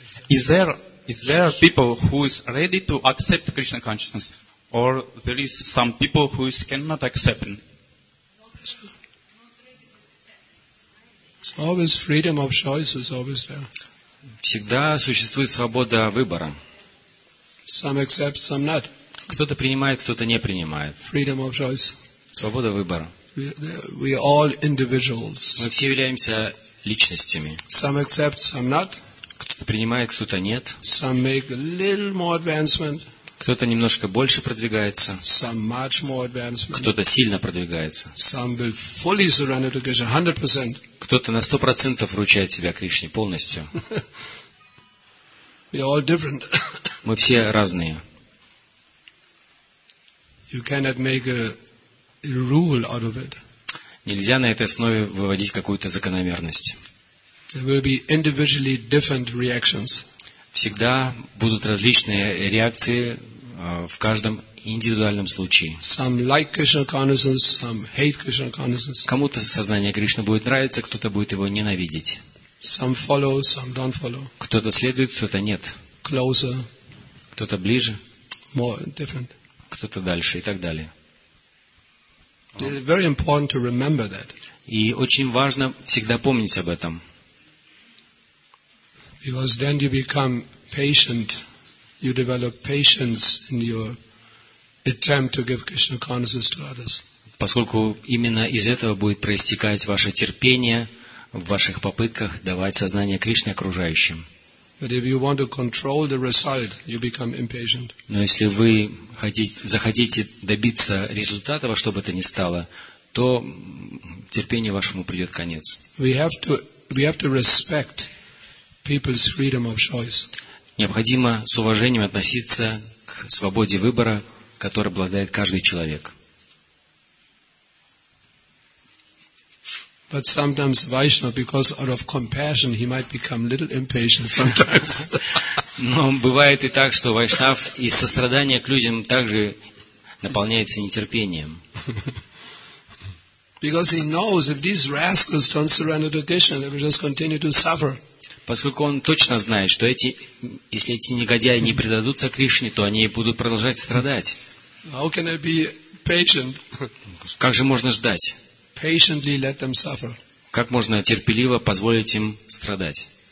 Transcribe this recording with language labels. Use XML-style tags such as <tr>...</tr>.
<en>Is there people who is ready to accept Krishna consciousness, or there is some people who is cannot accept? It's always freedom of choice is always there.</en> <ru>Всегда существует свобода выбора.</ru> <en>Some accept, some not.</en> <ru>Кто-то принимает, кто-то не принимает.</ru> <en>Freedom of choice.</en> <ru>Свобода выбора.</ru> <en>We are all individuals.</en> <ru>Мы все являемся личностями.</ru> <en>Some accept, some not.</en> <ru>Кто-то принимает, кто-то нет.</ru> <en>Some make a little more advancement.</en> <ru>Кто-то немножко больше продвигается.</ru> <en>Some much more advancement.</en> <ru>Кто-то сильно продвигается.</ru> <en>Some will fully surrender to Krishna 100%.</en> <ru>Кто-то на 100% вручает себя Кришне полностью.</ru> <en>We are all different.</en> <ru>Мы все разные.</ru> <en>You cannot make a rule out of it.</en> <ru>Нельзя на этой основе выводить какую-то закономерность.</ru> <en>There will be individually different reactions.</en> <ru>Всегда будут различные реакции в каждом индивидуальном случае.</ru> <en>Some like Krishna consciousness, some hate Krishna consciousness.</en> <ru>Кому-то сознание Кришны будет нравиться, кто-то будет его ненавидеть.</ru> <en>Some follow, some don't follow.</en> <ru>Кто-то следует, кто-то нет.</ru> <en>Closer.</en> <ru>Кто-то ближе.</ru> <en>More different.</en> <ru>Кто-то дальше и так далее.</ru> <en>It's very important to remember that.</en> <ru>И очень важно всегда помнить об этом.</ru> <en>Because then you become patient, you develop patience in your attempt to give Krishna consciousness to others.</en> <ru>Поскольку именно из этого будет проистекать ваше терпение в ваших попытках давать сознание Кришне окружающим.</ru> <en>But if you want to control the result, you become impatient.</en> <ru>Но если вы захотите добиться результата, во что бы то ни стало, то терпению вашему придет конец.</ru> <en>We have to respect people's freedom of choice.</en> <ru>Необходимо с уважением относиться к свободе выбора, которой обладает каждый человек.</ru> <en>But sometimes Vaishnava, because out of compassion, he might become a little impatient sometimes.</en> <ru>Но бывает и так, что Вайшнав из сострадания к людям также наполняется нетерпением.</ru> <en>Because he knows if these rascals don't surrender to Krishna, they will just continue to suffer.</en> <ru>Поскольку он точно знает, что если эти негодяи не предадутся Кришне, то они будут продолжать страдать.</ru> <en>How can I be patient?</en> <ru>Как же можно ждать?</ru> <en>Patiently let them suffer.</en> <ru>Как можно терпеливо позволить им страдать?</ru>